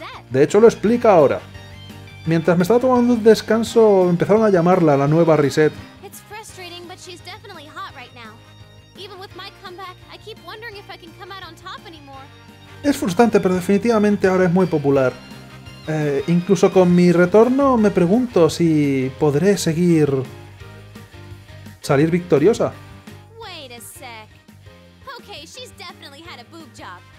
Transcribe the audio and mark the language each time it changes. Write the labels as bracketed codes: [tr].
[es] De hecho, lo explica ahora. Mientras me estaba tomando un descanso, empezaron a llamarla la nueva Reset. [en] It's frustrating, but she's definitely hot right now. Even with my comeback, I keep wondering if I can come out on top anymore. [es] Es frustrante, pero definitivamente ahora es muy popular. Incluso con mi retorno me pregunto si podré seguir salir victoriosa. [en] Wait a sec. Okay, she's definitely had a boob job.